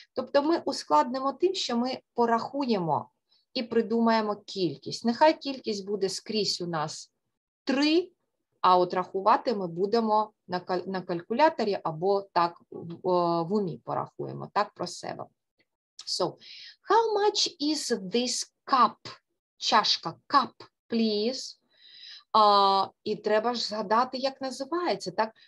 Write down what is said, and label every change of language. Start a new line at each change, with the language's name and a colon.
Ukrainian: Тобто ми ускладнимо тим, що ми порахуємо і придумаємо кількість. Нехай кількість буде скрізь у нас 3, а от рахувати ми будемо на калькуляторі або так в умі порахуємо, так, про себе.
English: So, how much is this cup? Чашка, cup, please.
Ukrainian: І треба ж згадати, як називається, так?